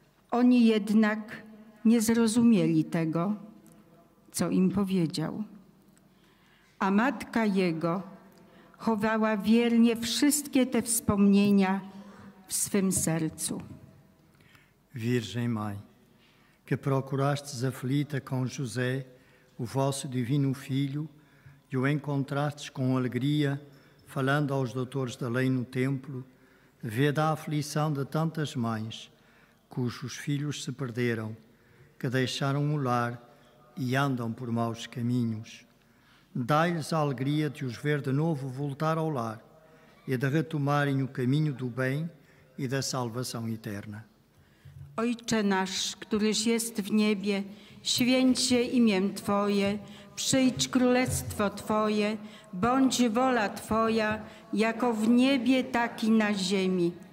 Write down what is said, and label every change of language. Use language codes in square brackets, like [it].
[pl] Oni jednak nie zrozumieli tego, co im powiedział. A matka jego chowała wiernie wszystkie te wspomnienia w swym sercu. [pt] Virgem Mãe, que procurastes aflita com José, o vosso divino filho, e o encontrastes com alegria, falando aos doutores da lei no templo, vede a aflição de tantas mães, cujos filhos se perderam, que deixaram o lar e andam por maus caminhos. Dai-lhes a alegria de os ver de novo voltar ao lar e de retomarem o caminho do bem e da salvação eterna. [pl] Ojcze nasz, któryś jest w niebie, święć się imię Twoje, przyjdź królestwo Twoje, bądź wola Twoja, jako w niebie, tak i na ziemi.